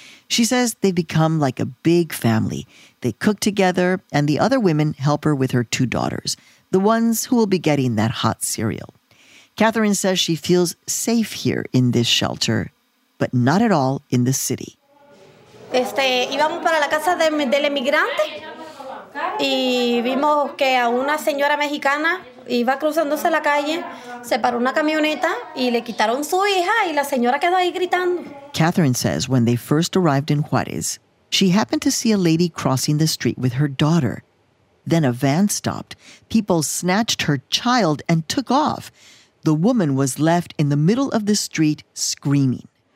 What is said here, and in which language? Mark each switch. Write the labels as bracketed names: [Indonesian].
[English] She says they've become like a big family. They cook together, and the other women help her with her two daughters, the ones who will be getting that hot cereal. Catherine says she feels safe here in this shelter, but not at all in the city. [Spanish] Íbamos para la casa del emigrante y vimos que a una señora mexicana iba cruzándose la calle, se paró una camioneta y le quitaron su hija y la señora quedó ahí gritando. [English] Catherine says when they first arrived in Juárez, she happened to see a lady crossing the street with her daughter. Then a van stopped. People snatched her child and took off. The woman was left in the middle of the street screaming.